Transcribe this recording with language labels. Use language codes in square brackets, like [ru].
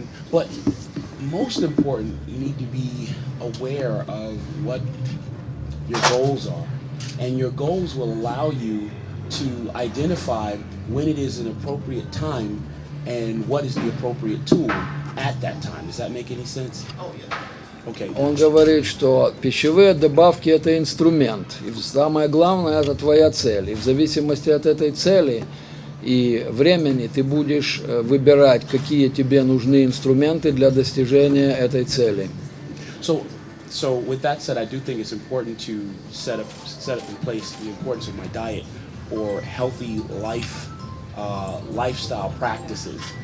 [en] But most important, you need to be aware of what your goals are. And your goals will allow you to identify when it is an appropriate time and what is the appropriate tool. At that time. Does that make any sense? Okay. [ru] Он говорит, что пищевые добавки – это инструмент. И самое главное – это твоя цель. И в зависимости от этой цели и времени ты будешь выбирать, какие тебе нужны инструменты для достижения этой цели. [en] So with that said, I do think it's important to set up in place the importance of my diet or healthy life lifestyle practices.